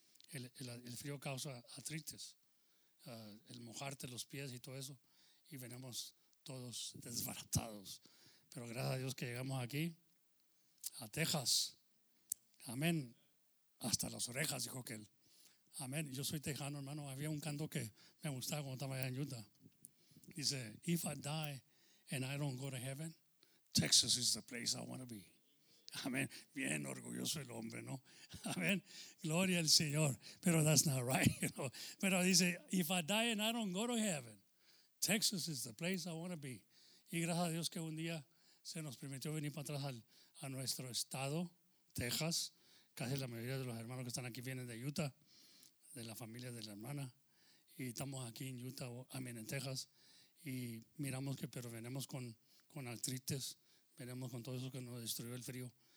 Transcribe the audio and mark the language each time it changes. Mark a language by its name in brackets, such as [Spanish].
[Spanish] El frío causa artritis. El mojarte los pies y todo eso. Y venimos todos desbaratados. Pero gracias a Dios que llegamos aquí. A Texas. Amén. Hasta las orejas, dijo aquel. Amén. Yo soy tejano, hermano. Había un canto que me gustaba cuando estaba allá en Utah. Dice, [English] if I die and I don't go to heaven, Texas is the place I want to be. [Spanish] Amén. Bien orgulloso el hombre, ¿no? Amén. Gloria al Señor. Pero [English] that's not right. You know? [Spanish] Pero dice, [English] if I die and I don't go to heaven, Texas is the place I want to be. [Spanish] Y gracias a Dios que un día se nos permitió venir para atrás a nuestro estado, Texas. Casi la mayoría de los hermanos que están aquí vienen de Utah, de la familia de la hermana. Y estamos aquí en Utah, amén, en Texas. Y miramos que, pero venimos con artritis, venimos con todo eso que nos destruyó el frío.